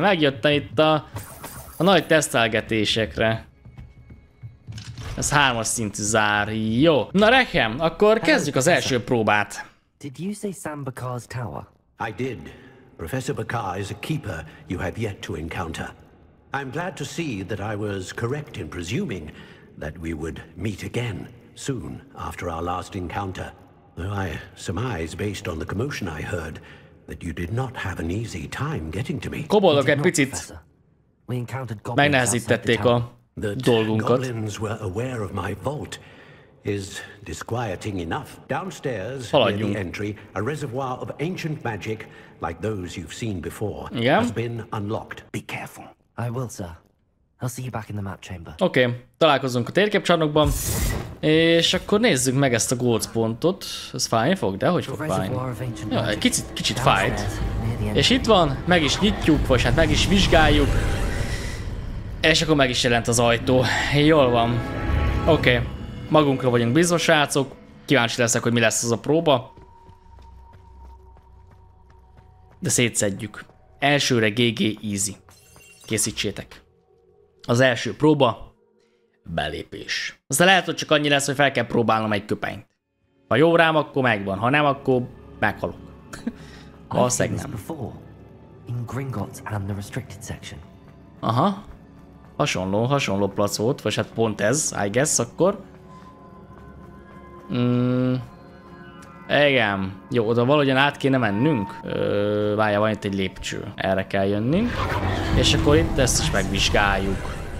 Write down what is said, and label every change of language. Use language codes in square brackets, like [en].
[hu] Megjöttem itt a nagy tesztelgetésekre. Ez hármas szintű zár. Jó. Na, Rekem, akkor kezdjük az első próbát. [en] Did you say Sam Bakar's tower? I did. Professor Bakar is a keeper you have yet to encounter. I'm glad to see that I was correct in presuming that we would meet again soon after our last encounter. Though I surmise, based on the commotion I heard, that you did not have an easy time getting to me. [hu] Koboldok egy picit megnehezítették a dolgunkat. [en] That goblins were aware of my vault is disquieting enough. Downstairs, near the entry, a reservoir of ancient magic, like those you've seen before, has been unlocked. Be careful. I will, sir. I'll see you back in the map chamber. [hu] Oké, találkozunk a térképcsarnokban. És akkor nézzük meg ezt a gold pontot. Ez fájni fog, de hogy fog fájni? Ja, kicsit fájt. És itt van, meg is nyitjuk, vagy hát meg is vizsgáljuk. És akkor meg is jelent az ajtó. Jól van. Oké, magunkra vagyunk bízva, srácok. Kíváncsi leszek, hogy mi lesz az a próba. De szétszedjük. Elsőre [en] GG easy. [hu] Készítsétek. Az első próba, belépés. Aztán lehet, hogy csak annyi lesz, hogy fel kell próbálnom egy köpenyt. Ha jó rám, akkor megvan, ha nem, akkor meghalok. Valószínűleg nem. [en] In Gringotts and the restricted section. Aha. [hu] Hasonló plac volt, vagy hát pont ez, [en] I guess, [hu] akkor. Igen. Jó, oda valahogyan át kéne mennünk. Várjál, van itt egy lépcső. Erre kell jönnünk. És akkor itt ezt is megvizsgáljuk.